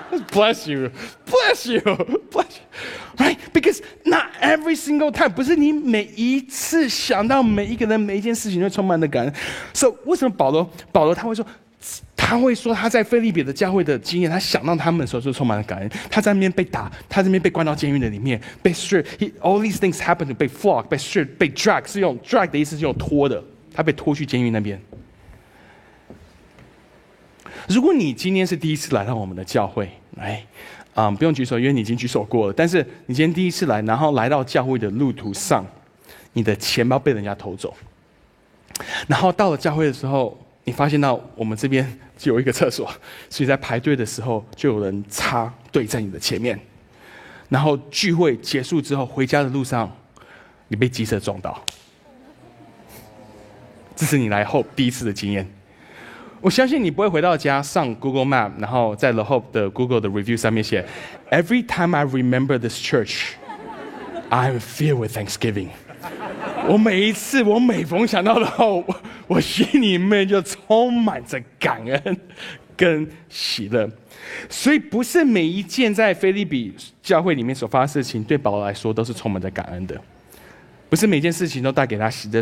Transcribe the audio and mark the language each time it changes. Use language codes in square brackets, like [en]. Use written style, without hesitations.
[en] Bless you, bless you, bless you. Right? Because not every single time， [zh] 不是你每一次想到每一个人每一件事情就充满了感恩。 So 为什么保罗他会说，他会说他在腓立比的教会的经验，他想到他们的时候就充满了感恩。他在那边被打，他在那边被关到监狱的里面，被 [en] all these things happened， [zh] 被 flog， 被 strip， 被 drag， 是用 drag 的意思，是用拖的，他被拖去监狱那边。如果你今天是第一次来到我们的教会，哎，不用举手，因为你已经举手过了。但是你今天第一次来，然后来到教会的路途上，你的钱包被人家偷走，然后到了教会的时候，你发现到我们这边只有一个厕所，所以在排队的时候就有人插队在你的前面。然后聚会结束之后，回家的路上你被机车撞到，这是你来后第一次的经验。我相信你不会回到家上 Google Map， 然后在 The Hope 的 Google 的 review 上面写 [en] Every time I remember this church I'm filled with thanksgiving。 [zh] 我每一次我每逢想到的 Hope， 我心里面就充满着感恩跟喜乐。所以不是每一件在腓立比教会里面所发生的事情对保罗来说都是充满着感恩的，不是每件事情都带给他喜乐。